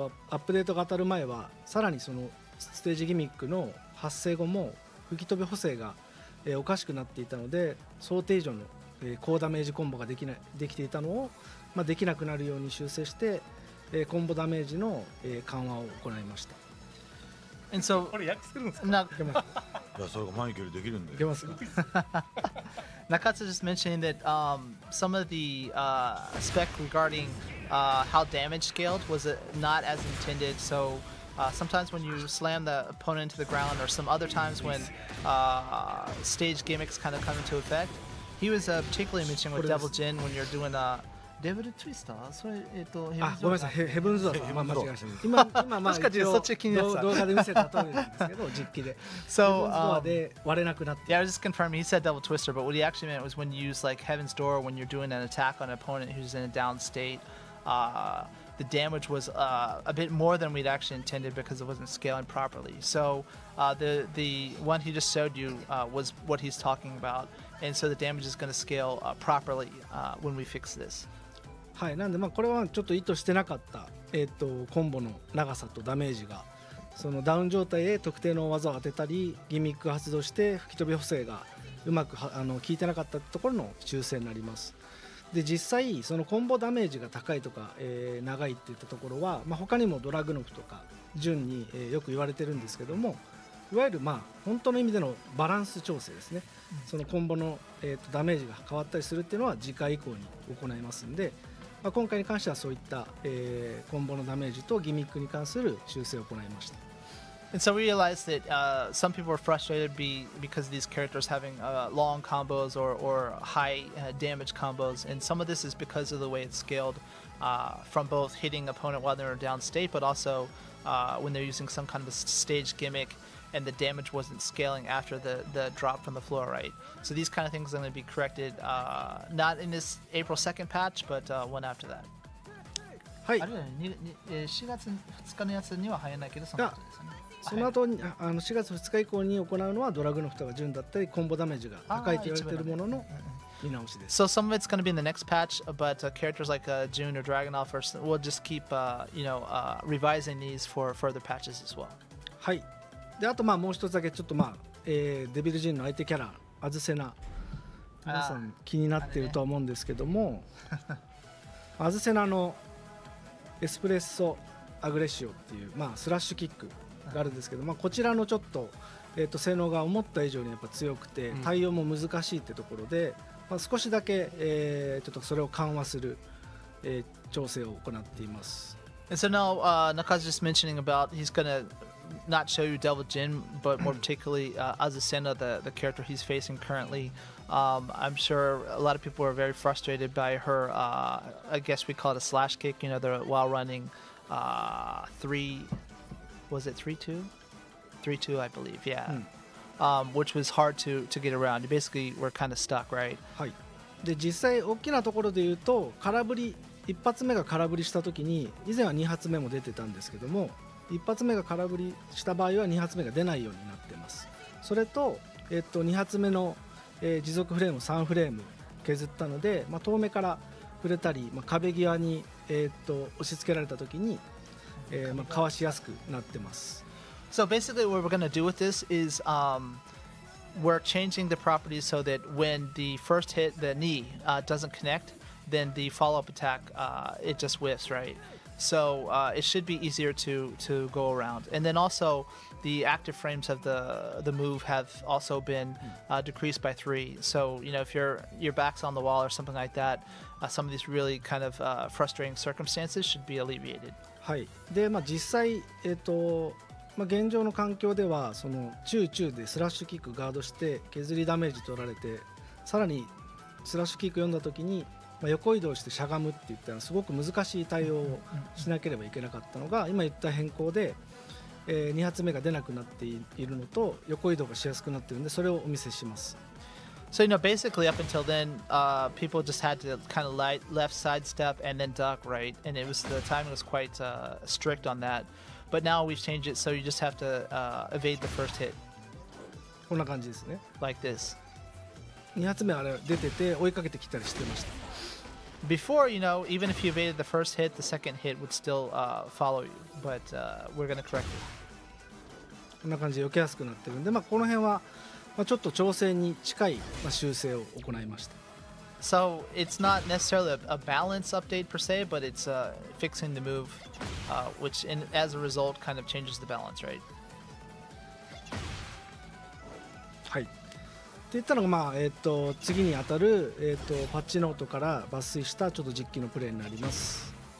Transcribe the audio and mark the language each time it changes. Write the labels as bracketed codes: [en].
[ja] アップデートが当たる前はさらにそのステージギミックの発生後も吹き飛び補正が、おかしくなっていたので想定以上の、高ダメージコンボができない、できていたのを、まあ、できなくなるように修正して、コンボダメージの、緩和を行いました。 [en] And so, [ja] これ訳せるんですか？ないや、それがマイケルできるんで。いけますか？ [en] Nakatsu just mentioning that some of the spec regarding how damage scaled was not as intended. So sometimes when you slam the opponent to the ground or some other times when stage gimmicks kind of come into effect, he was particularly mentioning with Devil Jin when you're doing a Devil Twister. [ja] それ、ごめんなさい、ヘブンズだと、間違えました今、まあ、確かにそっち気になった。動画で見せた通りなんですけど、実機で。 [en] So, [ja] ヘブンズドアで割れなくなって。 [en] Yeah, I was just confirming, he said Devil Twister, but what he actually meant was when you use like Heaven's Door, when you're doing an attack on an opponent who's in a down state, the damage was a bit more than we'd actually intended because it wasn't scaling properly. So, the one he just showed you was what he's talking about. And so the damage is going to scale properly when we fix this. [ja] はい、なんでまあこれはちょっと意図してなかった、コンボの長さとダメージがそのダウン状態へ特定の技を当てたりギミック発動して吹き飛び補正がうまく効いてなかったところの修正になります。で実際そのコンボダメージが高いとか、長いっていったところは、まあ、他にもドラグノフとか順に、よく言われてるんですけども、いわゆるまあ本当の意味でのバランス調整ですね、うん、そのコンボの、ダメージが変わったりするっていうのは次回以降に行いますんで、まあ、今回に関してはそういった、コンボのダメージとギミックに関する修正を行いました。 [en] And so we realized that some people are frustrated because these characters having long combos or high damage combos, and some of this is because of the way it's scaled from both hitting opponent while they're in down state, but also when they're using some kind of a stage gimmick and the damage wasn't scaling after the drop from the floor, right? So these kind of things are going to be corrected, not in this April 2nd patch, but one after that. [ja] はい。あれ、4月2日のやつには入らないけど、その後に、あの4月2日以降に行うのはドラグノフとか順だったり、コンボダメージが高いと言われているものの見直しです。 [en] So some of it's going to be in the next patch, but characters like Jun or Dragunov, we'll just keep revising these for further patches as well. [ja] はい。で、あとまあもう一つだけ、ちょっとまあ、デビルジンの相手キャラ。アズセナ、皆さん気になっていると思うんですけども、アズセナのエスプレッソアグレッシオっていう、まあスラッシュキックがあるんですけど、まあこちらのちょっと性能が思った以上にやっぱ強くて対応も難しいってところで、まあ少しだけちょっとそれを緩和する調整を行っています。 [en] And so now Naka's just mentioning about he's gonna not show you Devil Jin, but more particularly Azucena, the character he's facing currently. I'm sure a lot of people are very frustrated by her, I guess we call it a slash kick, you know, the while running 3-2, I believe, yeah. Which was hard to get around. You basically were kind of stuck, right? [ja] はい。で、実際大きなところで言うと、空振り、一発目が空振りしたときに、以前は二発目も出てたんですけども、1発目が空振りした場合は2発目が出ないようになっています。それと、2発目の、持続フレームを3フレーム削ったので、まあ、遠目から触れたり、まあ、壁際に、押し付けられた時に、まあ、かわしやすくなってます。 [en] So basically what we're going to do with this is we're changing the properties so that when the first hit, the knee, doesn't connect, then the follow-up attack, it just whiffs, right? So it should be easier to go around. And then also the active frames of the move have also been decreased by 3. So, you know, if your back's on the wall or something like that, some of these really kind of frustrating circumstances should be alleviated. [ja] はい。で、まあ実際、まあ、現状の環境ではそのチューチューでスラッシュキックガードして削りダメージ取られて、さらにスラッシュキック読んだ時にまあ、横移動してしゃがむって言ったらすごく難しい対応をしなければいけなかったのが、今言った変更で、2発目が出なくなっているのと横移動がしやすくなっているので、それをお見せします。 [en] So you know basically up until then、people just had to kind of light left side step and then duck right, and it was the timing was quite、strict on that, but now we've changed it so you just have to、evade the first hit。 [ja] こんな感じですね。 [en] Like this。 [ja] 2発目あれ出てて追いかけてきたりしてました。 [en] Before, you know, even if you evaded the first hit, the second hit would still、follow you. But、we're going to correct it. [ja] こんな感じで避けやすくなってるんで、まあ、この辺は、まあ、ちょっと調整に近い、まあ、修正を行いました。 [en] So, it's not necessarily a balance update per se, but it's、fixing the move,、which in, as a result kind of changes the balance, right? [ja] はい。って言ったのが、まあ次に当たる、パッチノートから抜粋したちょっと実機のプレイになります。